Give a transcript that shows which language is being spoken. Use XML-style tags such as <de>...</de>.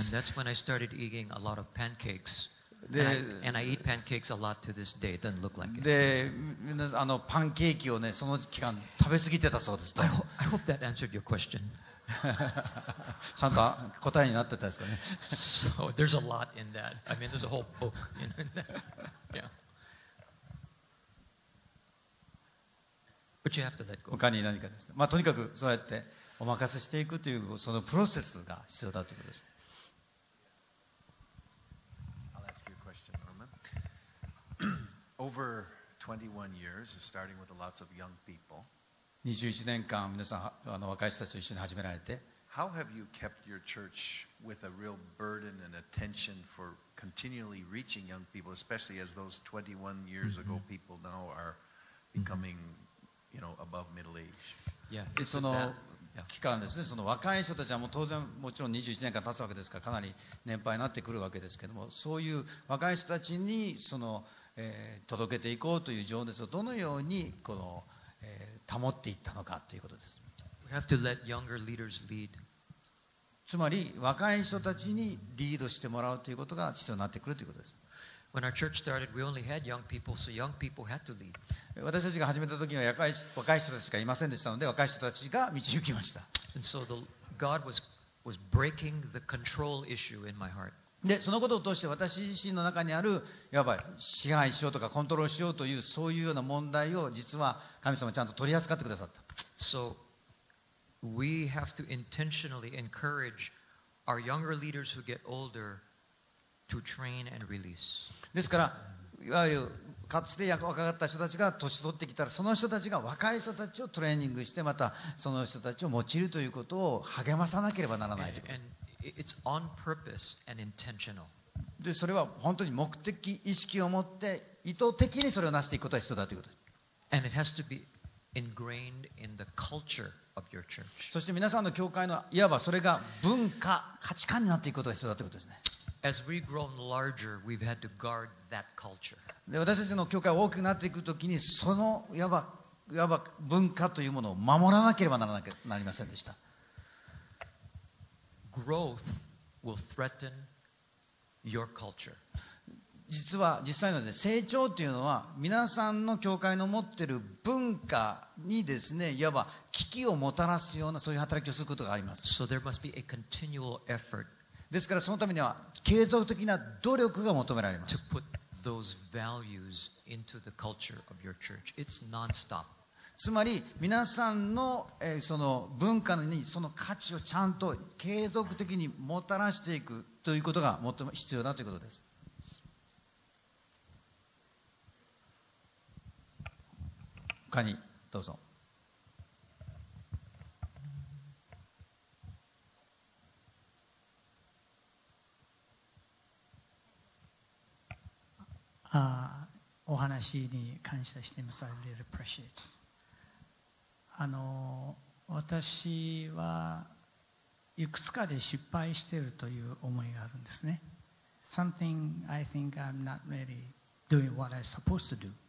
<en>And that's when I started eating a lot of pancakes. And I eat pancakes a lot to this day. It doesn't look like it.</en> <ja>で、みんなあのパンケーキをね、その期間食べ過ぎてたそうです。</ja> <en>I hope that answered your question.</en> <ja>ちゃんと答えになってたですかね。</ja> <en>So there's a lot in that. I mean, there's a whole book in that. Yeah. But you have to let go.</en> <ja>他に何かですね、まあ、とにかくそうやってお任せしていくというそのプロセスが必要だということです。</ja> <en>I'll ask you a question, Norman. Over 21 years, starting with lots of young people.</en> <ja>21年間皆さんあの若い人たちと一緒に始められて、</ja> <en>How have you kept your church with a real burden and attention for continually reaching young people, especially as those 21 years ago people now are becoming You know, above middle age. Yeah, it's</en> <ja>その期間ですね、その若い人たちはもう当然もちろん21年間経つわけですからかなり年配になってくるわけですけども、そういう若い人たちにその、届けていこうという情熱をどのようにこの、保っていったのかということです。</ja> <en>We have to let younger leaders lead.</en> <ja>つまり若い人たちにリードしてもらうということが必要になってくるということです。</ja> <en>When our church started, we only had young people, so young people had to lead.</en> <ja>私たちが始めた時は若い人たちしかいませんでしたので、若い人たちが導きました。</ja> <en>And so the God was breaking the control issue in my heart.</en> <ja>で、そのことを通して私自身の中にあるいわば支配しようとかコントロールしようというそういうような問題を実は神様ちゃんと取り扱ってくださった。</ja> <en>So we have to intentionally encourage our younger leaders who get older. To train and release.</en> <ja>ですから、いわゆるかつて若かった人たちが年取ってきたら、その人たちが若い人たちをトレーニングして、またその人たちを用いるということを励まさなければならないということ。</ja> <en>And it's on purpose and intentional.</en> <ja>で、それは本当に目的意識を持って意図的にそれを成していくことが必要だということ。</ja> <en>And it has to be ingrained in the culture of your church.</en> <ja>そして皆さんの教会のいわばそれが文化、価値観になっていくことが必要だということですね。</ja> <en>As we've grown larger, we've had to guard that culture.</en> <ja>で、私たちの教会が大きくなっていくときに、そのいわば文化というものを守らなければならなくなりませんでした。</ja> <en>Growth will threaten your culture.</en> <ja>実際のですね、成長というのは皆さんの教会の持っている文化にですね、いわば危機をもたらすようなそういう働きをすることがあります。</ja> <en>So there must be a continual effort.</en> <ja>ですからそのためには継続的な努力が求められます。</ja> <en>To put those values into the culture of your church. It's non-stop.</en> <ja>つまり皆さんの、その文化にその価値をちゃんと継続的にもたらしていくということが最も必要だということです。他にどうぞ。お話に感謝しています。</ja> <en>I really appreciate.</en> <ja>私はいくつかで失敗しているという思いがあるんですね。</ja> <en>Something I think I'm not really doing what I'm supposed to do.</en>